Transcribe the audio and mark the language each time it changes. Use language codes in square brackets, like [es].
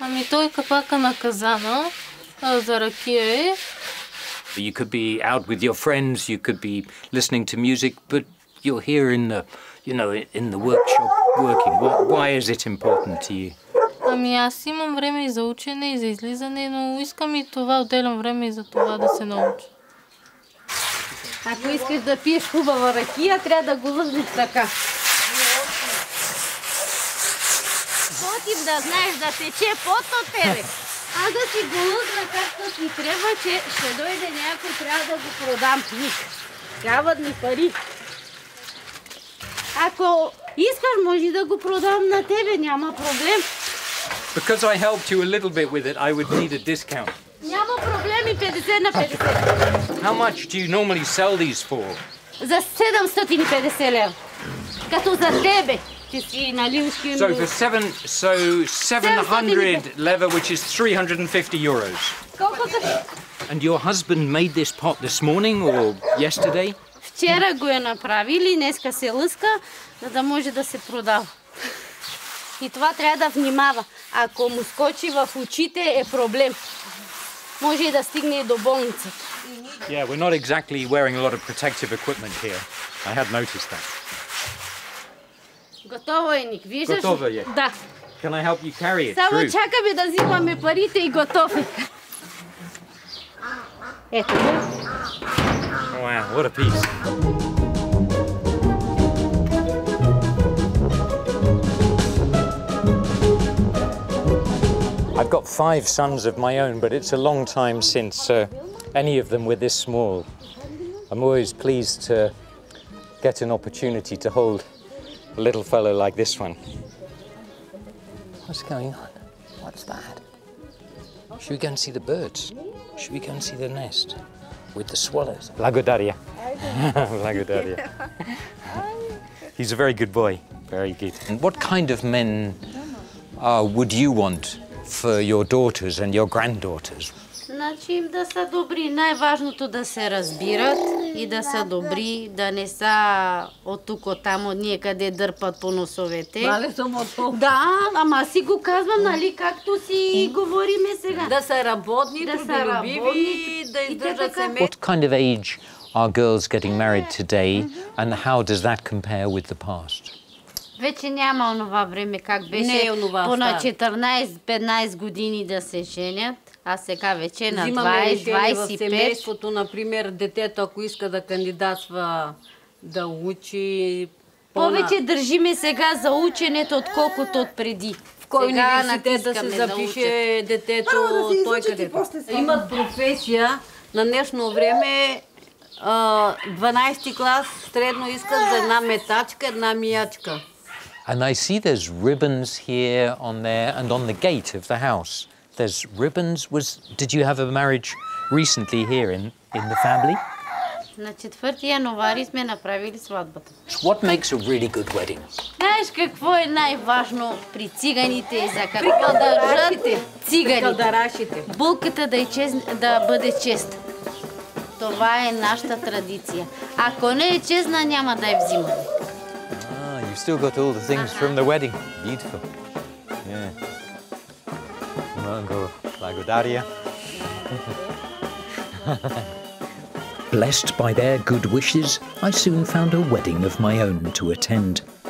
[bg] Той капака на казана за ракия е. [en] You could be out with your friends, you could be listening to music, but you're here in the, you know, in the workshop working. Why is it important to you? [bg] Ами аз имам време и за учене, и за излизане, но искам и това, отделям време и за това да се науча. Ако искаш да пиеш хубава ракия, трябва да го лъжиш така. Ти да знаеш да тече пот от тебе. А да си го лъзна както ти трябва, че ще дойде някой, трябва да го продам пик. Трябват ми пари. Ако искаш, може да го продам на тебе, няма проблем. [en] Because I helped you a little bit with it, I would need a discount. [bg] Няма проблеми, 50 на 50. [en] How much do you normally sell these for? [bg] За 750 лева. Като за тебе. [en] So for seven hundred leather, which is 350 euros. And your husband made this pot this morning or yesterday? [bg] Вчера го е направил и днеска се лъска, за да може да се продава. И това трябва да внимава. Ако му скочи в очите, е проблем. Може и да стигне до болница. [en] Yeah, we're not exactly wearing a lot of protective equipment here. I had noticed that. [bg] Готово е, Ник. Виждаш? Готово е. Да. [en] Can I help you carry it? [bg] Само чакаме да взимаме парите и готово. Ето. [en] Wow, what a piece. I've got five sons of my own, but it's a long time since any of them were this small. I'm always pleased to get an opportunity to hold a little fellow like this one. What's going on? What's that? Should we go and see the birds? Should we go and see the nest with the swallows? Lagodaria. Lagodaria. He's a very good boy. Very good. And what kind of men would you want for your daughters and your granddaughters? [bg] На Значи им да са добри. Най-важното да се разбират и да са добри, да не са от тук, от там, от ние къде дърпат по носовете. Мале съм от тук. Да, ама си го казвам, нали, както си говориме сега. Да са работни, да са трудолюбиви, да издържат семейство. [en] What kind of age are girls getting married today and how does that compare with the past? [bg] Вече няма онова време, как беше поне 14-15 години да се женят. А сега вече на 20-25. Взимаме решение в семейството, например, детето, ако иска да кандидатства, да учи. Повече държиме сега за ученето, отколкото от преди. В кой университет да се запише детето, той къде? Имат професия. На днешно време 12-ти клас средно искат за една метачка, една миячка. [en] And I see there's ribbons here on there and on the gate of the house. There's ribbons. Did you have a marriage recently here in the family? [bg] На 4 януари сме направили сватбата. [en] What makes a really good wedding? [bg] Знаеш какво е най-важно при циганите и за какво да държат циганите? Калдарашите. Булката да е чест, да бъде чест. Това е нашата традиция. Ако не е честна, няма да я взимаме. [en] You've still got all the things from the wedding. Beautiful. Yeah. Mungo, [bg] благодаря. [en] Blessed by their good wishes, I soon found a wedding of my own to attend.